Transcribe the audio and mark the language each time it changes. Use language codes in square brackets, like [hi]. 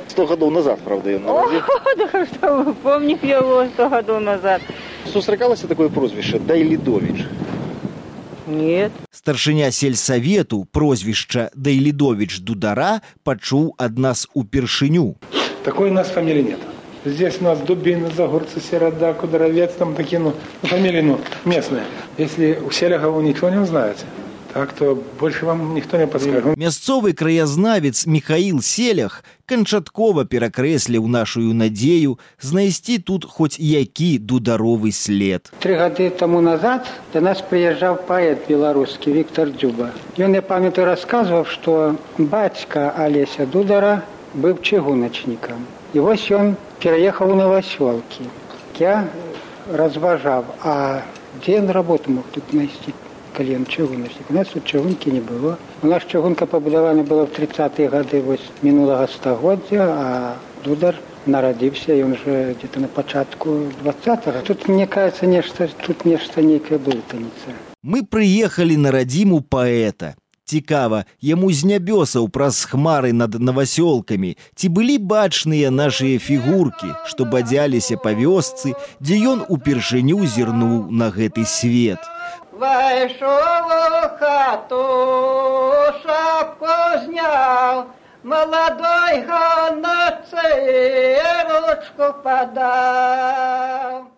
[be] 100 гадоў назад, правда, ён нарадзіўся. О, да што вы, помнік яго 100 гадоў назад. Сустракалася такое прозвішча Дайлідовіч? [ru] Нет. [be] Старшыня сельсавету прозвішча Дайлідовіч Дудара пачуў ад нас упершыню. [ru] Такой у нас фамілі нет. Здесь у нас Дубина, Загорцы, Серада, Кудоровец, там такие, фамилии, местные. Если у Селяга вы ничего не узнаете, так то больше вам никто не подскажет. [be] Мясцовый краязнавец Михаил Селях канчаткова перакрэсліў нашую надзею знайсці тут хоць які дударовы след. 3 гады тому назад до нас прыязджаў паэт беларускі Віктор Дзюба. Ён, я памятаю, расказваў, што бацька Алеся Дудара быў чыгуначнікам. І вось ён [ru] переехал на Новоселки. Я разважал, а где он работу мог тут найти, коли он чугунный? У нас тут чугунки не было. У нас чугунка побудована была в 30-е годы вот, минулого стагодия, а Дудар народился, и он же где-то на початку 20-го. Тут, мне кажется, нечто, тут нечто некое блутаница. Мы приехали на родиму поэта. [be] Цікава, яму з нябёсаў праз хмары над Навасёлкамі, ці былі бачныя нашыя фігуркі, што бадзяліся па вёсцы, дзе ён упершыню зірнуў на гэты свет. Вайшоў у хату, шапку зняў, маладой ганачцы ручку падаў.